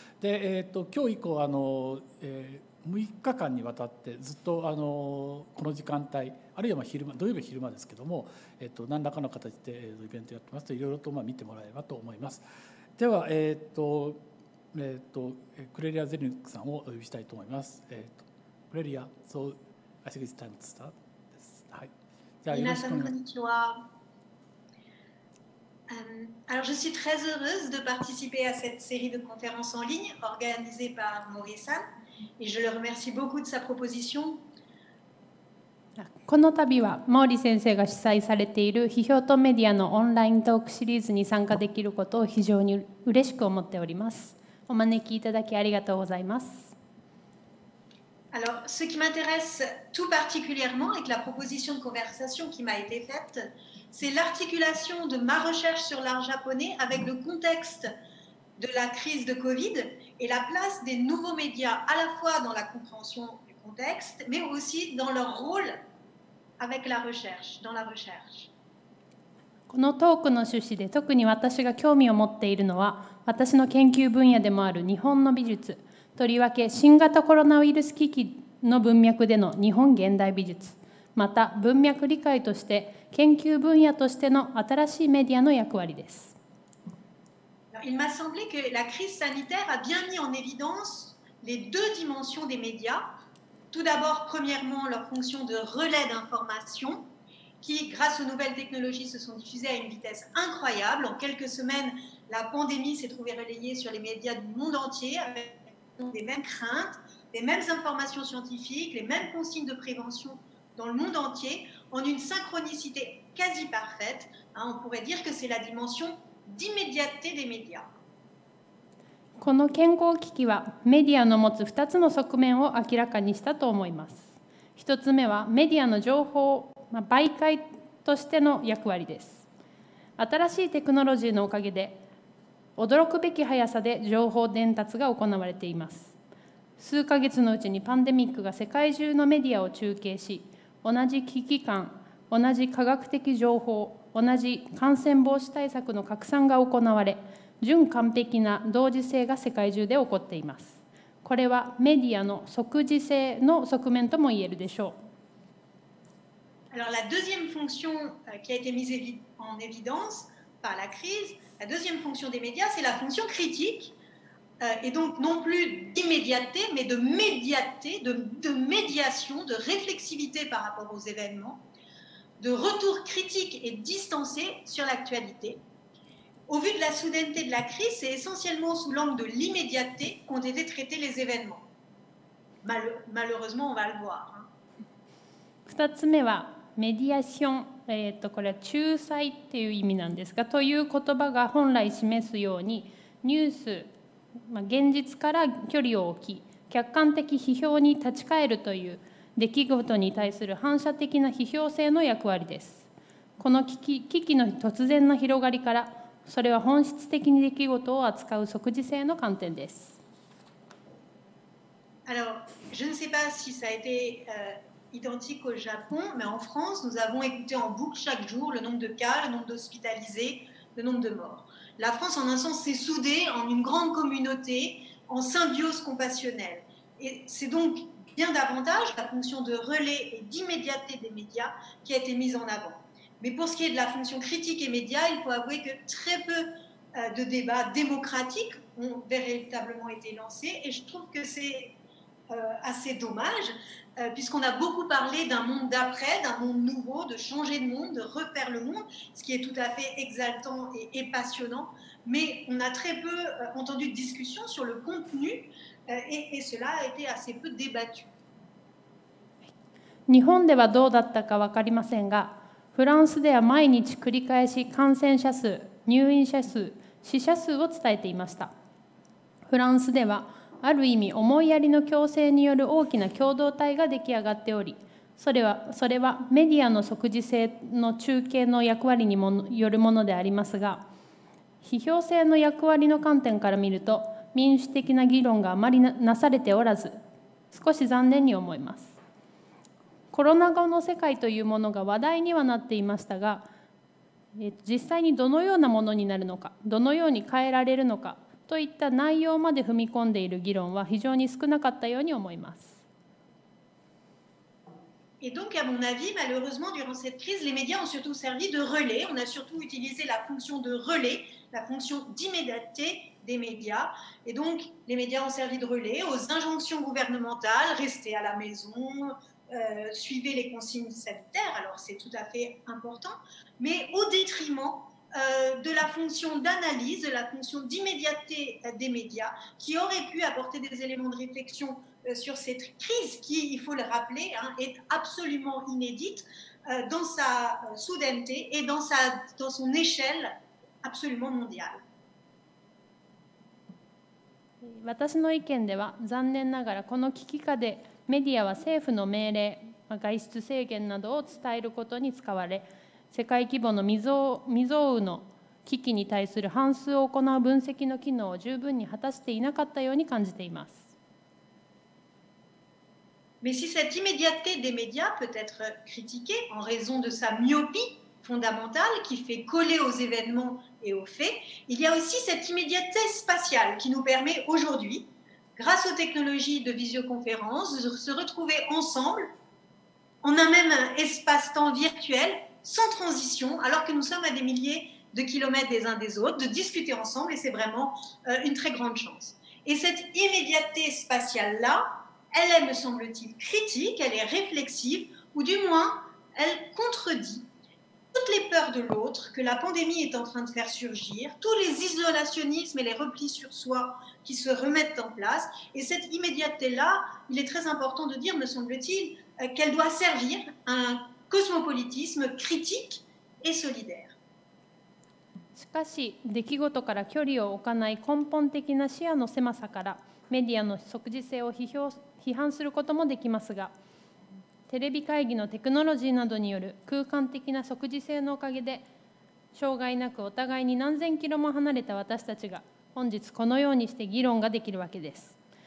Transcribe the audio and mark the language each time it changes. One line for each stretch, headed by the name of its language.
Japanese: で、今日以降6日間にわたってずっとこの時間帯、あるいは昼間、土曜日昼間ですけども、何らかの形でイベントやってますと、いろいろと見てもらえればと思います。では、クレリア・ゼルニックさんをお呼びしたいと思います。
English: クレリア、So I think it's time to start this.
Japanese: はい、じゃあよろしくお願いします。
French: Alors, je suis très heureuse de participer à cette série de conférences en ligne organisée par Maurice-san et je le remercie beaucoup de sa proposition.
Japanese: この度は毛利先生が主催されている批評とメディアのオンライントークシリーズに参加できることを非常に嬉しく思っております。お招きいただきありがとうございます。
French: Alors, ce qui m'intéresse tout particulièrement avec la proposition de conversation qui m'a été faite,C'est l'articulation de ma recherche sur l'art japonais avec le contexte de la crise de Covid et la place des nouveaux médias à la fois dans la compréhension du contexte, mais aussi dans leur rôle avec la recherche, dans la recherche.
Japanese: このトークの趣旨で特に私が興味を持っているのは、私の研究分野でもある日本の美術、とりわけ新型コロナウイルス危機の文脈での日本現代美術、また文脈理解として研究分野としての新しいメディアの役割です。
French: Il m'a semblé que la crise sanitaire a bien mis en évidence les deux dimensions des médias. Tout d'abord, premièrement, leur fonction de relais d'information, qui, grâce aux nouvelles technologies, se sont diffusées à une vitesse incroyable. En quelques semaines, la pandémie s'est trouvée relayée sur les médias du monde entier avec les mêmes craintes, les mêmes informations scientifiques, les mêmes consignes de prévention dans le monde entier. En une synchronicité quasi parfaite, hein, on pourrait dire que c'est la dimension d'immédiateté des médias.
Japanese: この健康危機はメディアの持つ2つの側面を明らかにしたと思います。 1つ目はメディアの情報、媒介としての役割です。新しいテクノロジーのおかげで、驚くべき速さで情報伝達が行われています。数ヶ月のうちにパンデミックが世界中のメディアを中継し、同じ危機感、同じ科学的情報、同じ感染防止対策の拡散が行われ、準完璧な同時性が世界中で起こっています。これはメディアの即時性の側面とも言えるでしょう。
French: Alors, la deuxième fonction qui a été mise en évidence par la crise, la deuxième fonction des médias, c'est la fonction critique, et donc non plus d'immédiateté, mais de médiateté, de médiation, de réflexivité par rapport aux événements, de retour critique et distancé sur l'actualité. Au vu de la soudaineté de la crise, c'est essentiellement sous l'angle de l'immédiateté qu'ont été traités les événements. Malheureusement, on va le voir.
Japanese: 2つ目はメディアション、これは仲裁っていう意味なんですが、という言葉が本来示すようにニュース、まあ、現実から距離を置き客観的批評に立ち返るという出来事に対する反射的な批評性の役割です。この危機の突然の広がりから、それは本質的に出来事を扱う即時性の観点です。
French: Alors, je ne sais pas si ça a été identique au Japon, mais en France, nous avons écouté en boucle chaque jour le nombre de cas, le nombre d'hospitalisés, le nombre de morts. La France, en un sens, s'est soudée en une grande communauté, en symbiose compassionnelle. Et c'est donc bien davantage la fonction de relais et d'immédiateté des médias qui a été mise en avant. Mais pour ce qui est de la fonction critique et média, il faut avouer que très peu de débats démocratiques ont véritablement été lancés, et je trouve que c'est assez dommage, puisqu'on a beaucoup parlé d'un monde d'après, d'un monde nouveau, de changer de monde, de refaire le monde, ce qui est tout à fait exaltant et passionnant, mais on a très peu entendu de discussion sur le contenu, et cela a été assez peu débattu.
Japanese: 日本ではどうだったか分かりませんが、フランスでは毎日繰り返し感染者数、入院者数、死者数を伝えていました。フランスではある意味思いやりの共生による大きな共同体が出来上がっており、それはメディアの即時性の中継の役割によるものでありますが、批評性の役割の観点から見ると民主的な議論があまり なされておらず、少し残念に思います。コロナ後の世界というものが話題にはなっていましたが、実際にどのようなものになるのか、どのように変えられるのかといった内容まで踏み込んでいる議論は非常に少なかったように思います。
French: Et donc, à mon avis, malheureusement, durant cette crise, les médias ont surtout servi de relais. On a surtout utilisé la fonction de relais, la fonction d'immédiateté des médias. Et donc, les médias ont servi de relais aux injonctions gouvernementales, restez à la maison, suivez les consignes sanitaires. Alors, c'est tout à fait important, mais au détriment de la fonction d'analyse, de la fonction d'immédiateté des médias, qui aurait pu apporter des éléments de réflexion sur cette crise qui, il faut le rappeler, hein, est absolument inédite dans sa soudaineté et dans son échelle absolument mondiale.
Japanese: 私の意見では、残念ながらこの危機下でメディアは政府の命令、外出制限などを伝えることに使われ、世界規模の未曾有の危機に対する反芻を行う分析の機能を十分に果たしていなかったように感じています。
French: Mais si cette immédiateté des médias peut être critiquée en raison de sa myopie fondamentale qui fait coller aux événements et aux faits, il y a aussi cette immédiateté spatiale qui nous permet aujourd'hui, grâce aux technologies de visioconférence, de se retrouver ensemble en un même espace-temps virtuel. Sans transition, alors que nous sommes à des milliers de kilomètres des uns des autres, de discuter ensemble, et c'est vraiment une très grande chance. Et cette immédiateté spatiale-là, elle est, me semble-t-il, critique, elle est réflexive, ou du moins, elle contredit toutes les peurs de l'autre que la pandémie est en train de faire surgir, tous les isolationnismes et les replis sur soi qui se remettent en place. Et cette immédiateté-là, il est très important de dire, me semble-t-il, qu'elle doit servir à uncosmopolitisme critique et solidaire.
Japanese: しかし、出来事から距離を置かない根本的な視野の狭さから、メディアの即時性を批判することもできますが、テレビ会議のテクノロジーなどによる空間的な即時性のおかげで、障害なくお互いに何千キロも離れた私たちが、本日このようにして議論ができるわけです。